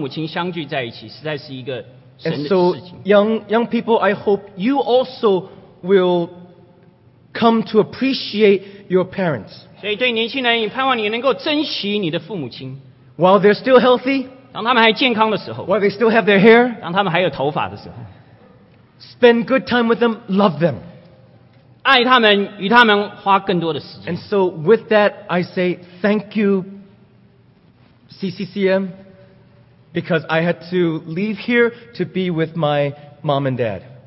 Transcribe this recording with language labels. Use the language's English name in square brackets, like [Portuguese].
[Chinese] 我们非常的没有后悔的，可以花这样的时间与我们的年老的父母亲相聚在一起，实在是一个神的事情。 [English] And so, young people, I hope you also will come to appreciate your parents. [Chinese] 所以对年轻人，你盼望你能够珍惜你的父母亲。 [English] While they're still healthy, [Chinese] 当他们还健康的时候, [English] while they still have their hair, [Chinese] 当他们还有头发的时候, [English] spend good time with them, love them. [Chinese] 爱他们, [English] and so with that, I say thank you, CCCM, because I had to leave here to be with my mom and dad.